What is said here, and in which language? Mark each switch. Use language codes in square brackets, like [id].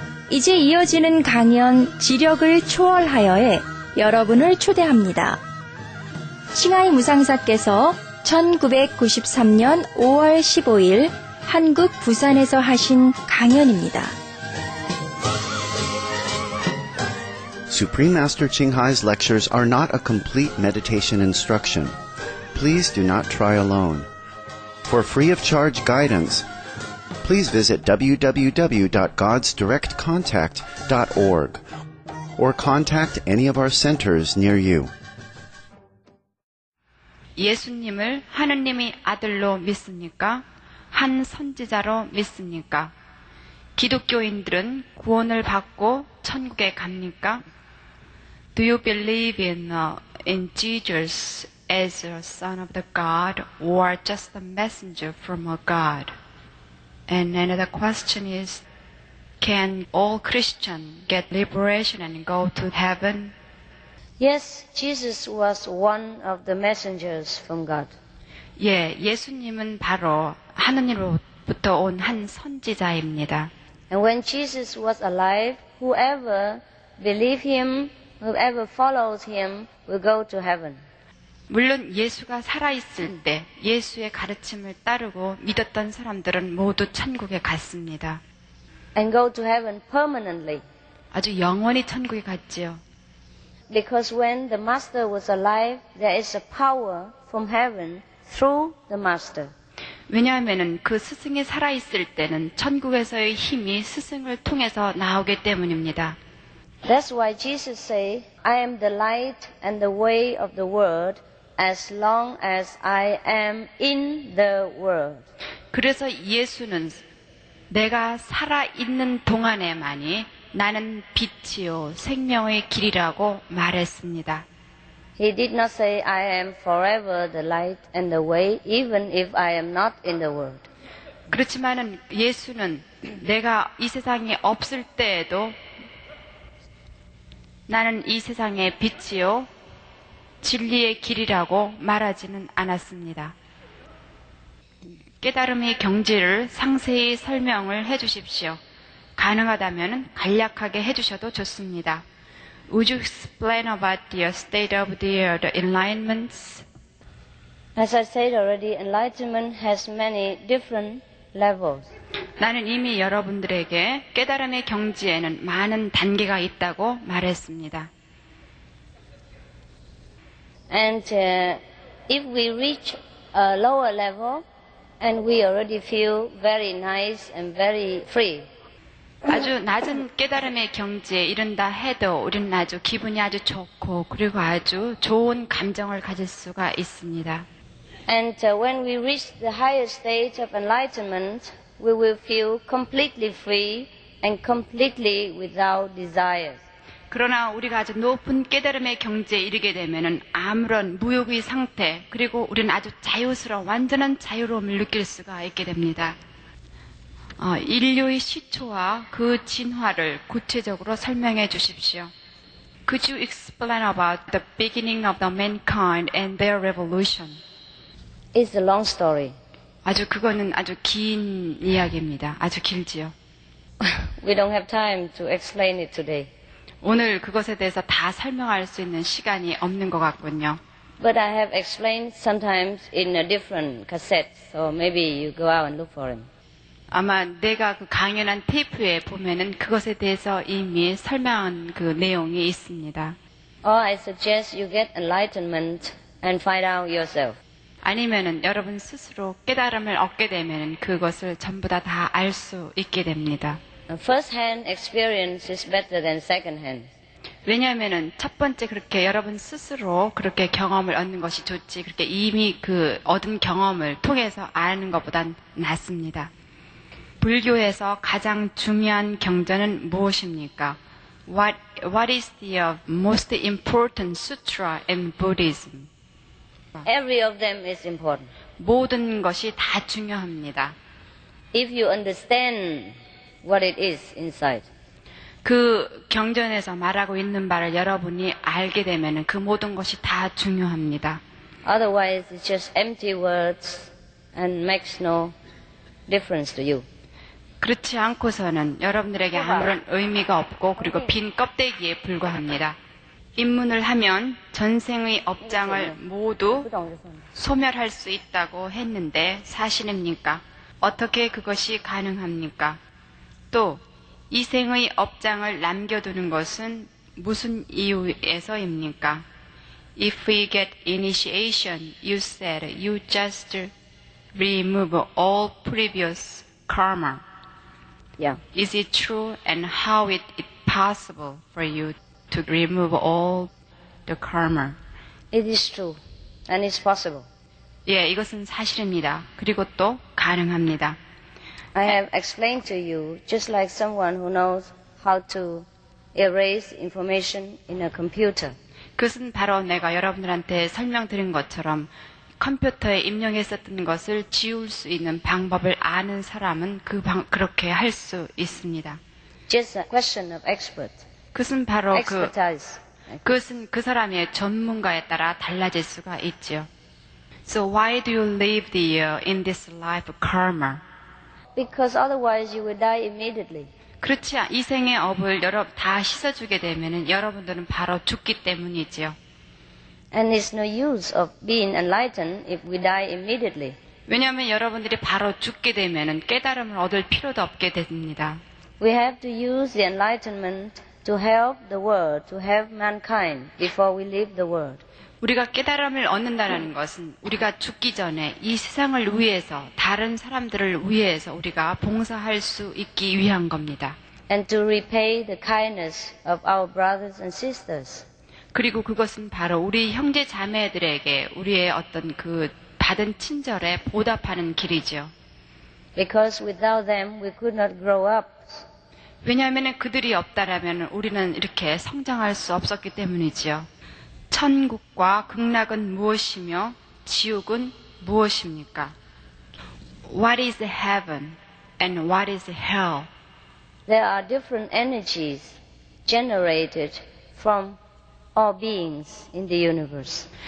[ko] 이제 이어지는 강연 지력을 초월하여에 여러분을 초대합니다. 싱하이 무상사께서 1993년 5월 15일 한국 부산에서 하신 강연입니다. [en] Supreme Master Qinghai's lectures are not a complete meditation instruction. Please do not try alone. For free of charge guidance, please visit www.godsdirectcontact.org or contact any of our centers near you. [ko] 예수님을 하느님의 아들로 믿습니까? 한 선지자로 믿습니까? 기독교인들은 구원을 받고 천국에 갑니까? [en] Do you believe in Jesus as the son of the God or just a messenger from a God? And another question is, can all Christians get liberation and go to heaven? Yes, Jesus was one of the messengers from God. [ko] 예, 예수님은 바로 하느님으로부터 온 한 선지자입니다. [en] And when Jesus was alive, whoever believed him, whoever follows him, will go to heaven. [ko] 물론 예수가 살아있을 때 예수의 가르침을 따르고 믿었던 사람들은 모두 천국에 갔습니다. [en] And go to heaven permanently. [ko] 아주 영원히 천국에 갔지요. [en] Because when the Master was alive, there is a power from heaven through the Master. [ko] 왜냐하면 그 스승이 살아있을 때는 천국에서의 힘이 스승을 통해서 나오기 때문입니다. [en] That's why Jesus said, I am the light and the way of the world as long as I am in the world. [ko] 그래서 예수는 내가 살아있는 동안에만이 나는 빛이요 생명의 길이라고 말했습니다. [en] He did not say, I am forever the light and the way even if I am not in the world. [ko] 그렇지만은 예수는 내가 이 세상에 없을 때에도 나는 이 세상의 빛이요 진리의 길이라고 말하지는 않았습니다. 깨달음의 경지를 상세히 설명을 해 주십시오. 가능하다면 간략하게 해 주셔도 좋습니다. [en] Would you explain about the state of the enlightenment? As I said already, enlightenment has many different levels. [ko] 나는 이미 여러분들에게 깨달음의 경지에는 많은 단계가 있다고 말했습니다. [en] And if we reach a lower level And we already feel very nice and very free. [ko] 아주 낮은 깨달음의 경지에 이른다 해도 우리는 아주 기분이 아주 좋고 그리고 아주 좋은 감정을 가질 수가 있습니다. [en] And when we reach the higher stage of enlightenment, we will feel completely free and completely without desires. [ko] 그러나 우리가 아주 높은 깨달음의 경지에 이르게 되면은 아무런 무욕의 상태 그리고 우리는 아주 자유스러워 완전한 자유로움을 느낄 수가 있게 됩니다. 인류의 시초와 그 진화를 구체적으로 설명해 주십시오. [en] Could you explain about the beginning of the mankind and their revolution? It's a long story. [ko] 아주 그거는 아주 긴 이야기입니다. 아주 길지요. [en] We don't have time to explain it today. [ko] 오늘 그것에 대해서 다 설명할 수 있는 시간이 없는 것 같군요. [en] But I have explained sometimes in a different cassette, so maybe you go out and look for him. [ko] 아마 내가 그 강연한 테이프에 보면은 그것에 대해서 이미 설명한 그 내용이 있습니다. [en] Or I suggest you get enlightenment and find out yourself. [ko] 아니면은 여러분 스스로 깨달음을 얻게 되면은 그것을 전부 다 알 수 있게 됩니다. [en] First hand experience is better than second hand. [ko] 왜냐하면은 첫 번째 그렇게 여러분 스스로 그렇게 경험을 얻는 것이 좋지 그렇게 이미 그 얻은 경험을 통해서 아는 것보단 낫습니다. 불교에서 가장 중요한 경전은 무엇입니까? [en] What is the most important sutra in Buddhism? Every of them is important. [ko] 모든 것이 다 중요합니다. [en] If you understand what it is inside. [ko] 그 경전에서 말하고 있는 바를 여러분이 알게 되면은 그 모든 것이 다 중요합니다. [en] Otherwise it's just empty words and makes no difference to you. [ko] 그렇지 않고서는 여러분들에게 아무런 의미가 없고 그리고 빈 껍데기에 불과합니다. 입문을 하면 전생의 업장을 모두 소멸할 수 있다고 했는데 사실입니까? 어떻게 그것이 가능합니까? 또 이 생의 업장을 남겨두는 것은 무슨 이유에서입니까? [en] If we get initiation, you said you just remove all previous karma. Yeah. Is it true and how is it possible for you to remove all the karma? It is true and it's possible. [ko] 예, 이것은 사실입니다. 그리고 또 가능합니다. [en] I have explained to you just like someone who knows how to erase information in a computer. [ko] 그것은 바로 내가 여러분들한테 설명드린 것처럼 컴퓨터에 입력했었던 것을 지울 수 있는 방법을 아는 사람은 그렇게 할 수 있습니다. [en] Just a question of expert. [ko] 그것은 바로 그것은 그 사람의 전문가에 따라 달라질 수가 있죠. [en] So why do you live the in this life karma? Because otherwise you will die immediately. [ko] 그렇지 이 생의 업을 여러분 다 씻어주게 되면은 여러분들은 바로 죽기 때문이지요. [en] And it's no use of being enlightened if we die immediately. [ko] 왜냐하면 여러분들이 바로 죽게 되면은 깨달음을 얻을 필요도 없게 됩니다. [en] We have to use the enlightenment to help the world, to help mankind before we leave the world. [ko] 우리가 깨달음을 얻는다는 것은 우리가 죽기 전에 이 세상을 위해서 다른 사람들을 위해서 우리가 봉사할 수 있기 위한 겁니다. [en] And to repay the kindness of our brothers and sisters. [ko] 그리고 그것은 바로 우리 형제 자매들에게 우리의 어떤 그 받은 친절에 보답하는 길이죠. [en] Because without them we could not grow up. [ko] 왜냐하면 그들이 없다라면 우리는 이렇게 성장할 수 없었기 때문이지요. 천국과 극락은 무엇이며 지옥은 무엇입니까? [en] What is heaven and what is hell? There are different energies generated from all beings in the universe.